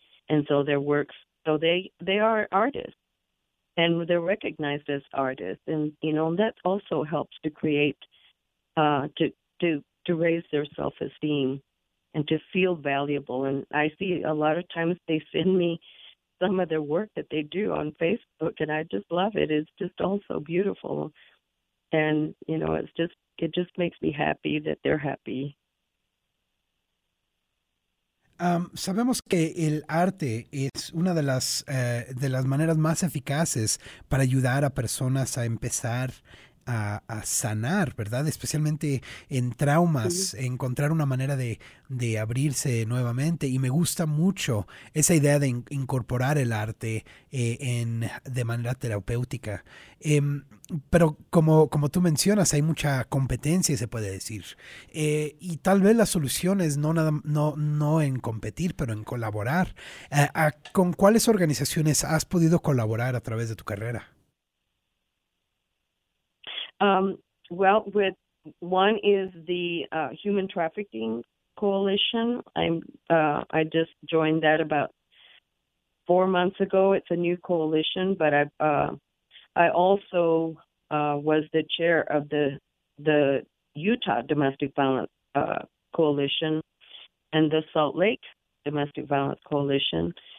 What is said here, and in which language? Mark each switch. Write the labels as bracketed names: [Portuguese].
[English] And so their works, so they are artists. And they're recognized as artists, and you know, that also helps to create, to raise their self-esteem, and to feel valuable. And I see a lot of times they send me some of their work that they do on Facebook, and I just love it. It's just all so beautiful, and you know, it just makes me happy that they're happy. [Spanish] Sabemos que el arte es una de las maneras más eficaces para ayudar a personas a empezar a sanar, ¿verdad? Especialmente en traumas, encontrar una manera de abrirse nuevamente. Y me gusta mucho esa idea de incorporar el arte de manera terapéutica. Pero como tú mencionas, hay mucha competencia, se puede decir. Y tal vez la solución es no en competir, pero en colaborar. ¿Con cuáles organizaciones has podido colaborar a través de tu carrera? [English] Well, with one is the Human Trafficking Coalition. I just joined that about 4 months ago. It's a new coalition, but I also was the chair of the Utah Domestic Violence Coalition and the Salt Lake Domestic Violence Coalition.